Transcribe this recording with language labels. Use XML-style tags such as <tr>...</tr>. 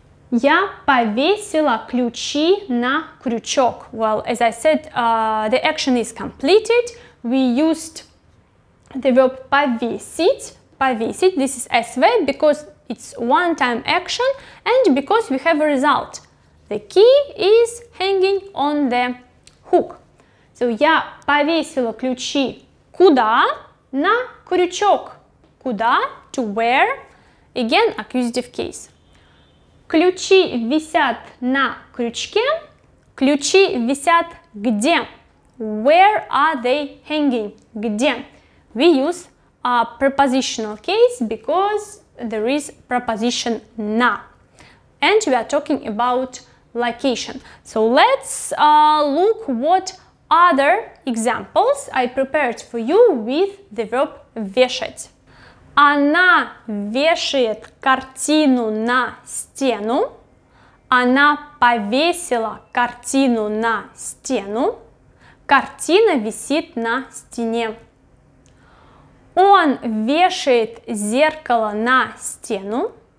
<ru>Я повесила ключи на крючок.</ru> <en>Well, as I said, the action is completed. We used the verb повесить. Повесить. This is SV because it's one-time action and because we have a result. The key is hanging on the hook.</en> <ru>So, я повесила ключи куда? На крючок. Куда?</ru> <en>To where? Again, accusative case.</en> <ru>Ключи висят на крючке. Ключи висят где?</ru> <en>Where are they hanging? Где? We use a prepositional case because there is preposition на. And we are talking about location. So let's look what other examples I prepared for you with the verb вешать.</en> <ru>Она вешает картину на стену. Она повесила картину на стену. Картина висит на стене. Он вешает зеркало на стену.</ru>